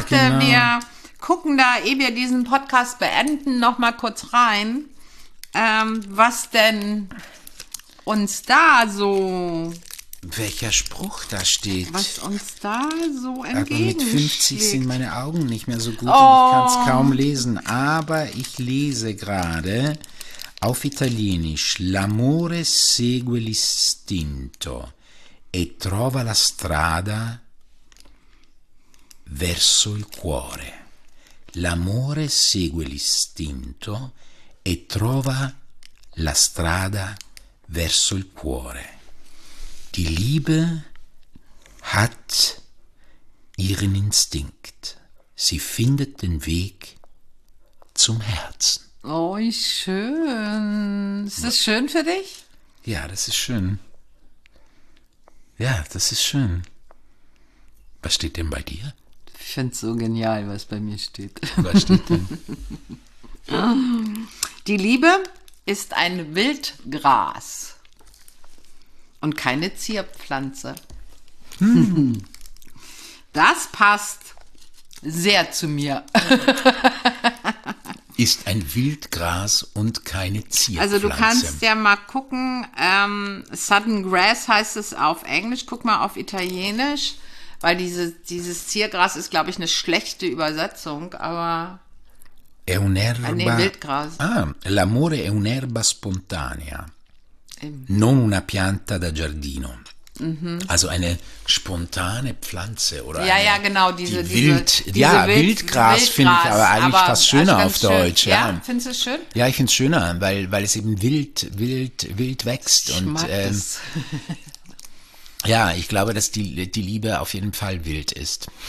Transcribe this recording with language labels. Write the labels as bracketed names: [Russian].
[German] Ich dachte, wir gucken da, ehe wir diesen Podcast beenden, noch mal kurz rein, was denn uns da so... Welcher Spruch da steht. Was uns da so entgegensteht. Mit 50 sind meine Augen nicht mehr so gut und ich kann es kaum lesen. Aber ich lese gerade... Auf Italienisch, [Italian] l'amore segue l'istinto e trova la strada verso il cuore. L'amore segue l'istinto e trova la strada verso il cuore. [German] Die Liebe hat ihren Instinkt. Sie findet den Weg zum Herzen. Oh, schön. Ist das schön für dich? Ja, das ist schön. Ja, das ist schön. Was steht denn bei dir? Ich finde es so genial, was bei mir steht. Was steht denn? Die Liebe ist ein Wildgras und keine Zierpflanze. Das passt sehr zu mir. Ist ein Wildgras und keine Zierpflanze. Also du kannst ja mal gucken, Sudden Grass heißt es auf Englisch, guck mal auf Italienisch, weil dieses Ziergras ist, glaube ich, eine schlechte Übersetzung, aber... [Italian] È un'erba... [German] Wildgras. [Italian] Ah, l'amore è un'erba spontanea, non una pianta da giardino. [German] Also eine spontane Pflanze oder ja, eine, ja, genau, diese, die Wild, diese ja, Wildgras finde ich aber eigentlich fast schöner also auf schön. Deutsch. Ja, ja. Findest du es schön? Ja, ich finde es schöner, weil es eben wild wächst. Ich und mag das. Ja, ich glaube, dass die Liebe auf jeden Fall wild ist.